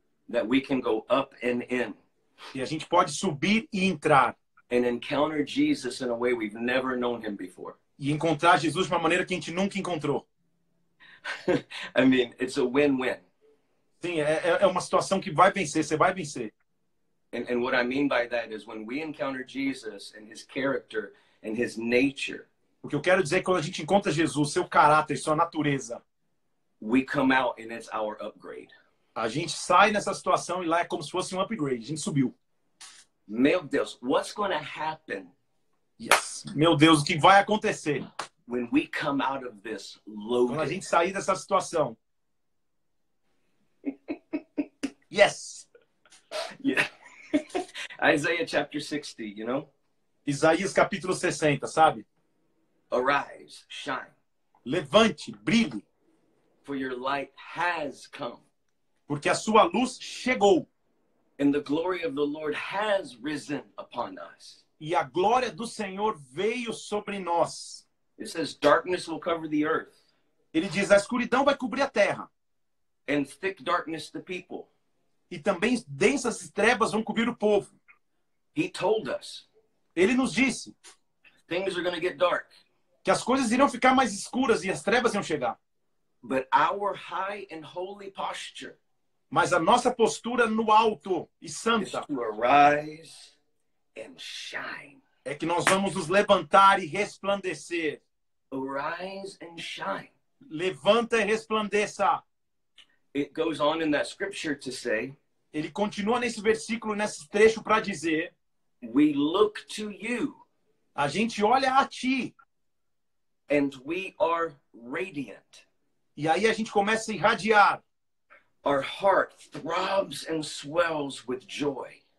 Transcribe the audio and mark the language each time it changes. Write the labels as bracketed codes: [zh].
[en] That we can go up and in. [pt] E a gente pode subir e entrar. [en] And encounter Jesus in a way we've never known him before. [pt] E encontrar Jesus de uma maneira que a gente nunca encontrou. [en] I mean, it's a win-win. [pt] Sim, é uma situação que vai vencer, você vai vencer. [en] And what I mean by that is when we encounter Jesus and his character and his nature. [pt] O que eu quero dizer é que quando a gente encontra Jesus, seu caráter, sua natureza. [en] We come out and it's our upgrade. [pt] A gente sai nessa situação e lá é como se fosse um upgrade, a gente subiu. Meu Deus, [en] what's going to happen? [pt] Yes. Meu Deus, o que vai acontecer? [en] When we come out of this loaded. [pt] Quando a gente sair dessa situação. [en] Yes. Yeah. Isaiah chapter 60, you know? [pt] Isaías capítulo 60, sabe? [en] Arise, shine. [pt] Levante, brilhe. [en] For your light has come. [pt] Porque a sua luz chegou. [en] And the glory of the Lord has risen upon us. [pt] E a glória do Senhor veio sobre nós. [en] It says darkness will cover the earth. [pt] Ele diz, a escuridão vai cobrir a terra. [en] And thick darkness the people. [pt] E também densas trevas vão cobrir o povo. [en] He told us. [pt] Ele nos disse. [en] Things are going to get dark. [pt] Que as coisas irão ficar mais escuras e as trevas iam chegar. [en] But our high and holy posture. [pt] Mas a nossa postura no alto e santa. [en] Is to arise and shine. [pt] É que nós vamos nos levantar e resplandecer. [en] Arise and shine. [pt] Levanta e resplandeça. [en] It goes on in that scripture to say. [pt] Ele continua nesse versículo, nesse trecho para dizer. [en] We look to you. [pt] A gente olha a ti. [en] And we are radiant. [pt] E aí a gente começa a irradiar. [en] Our heart throbs and swells with joy.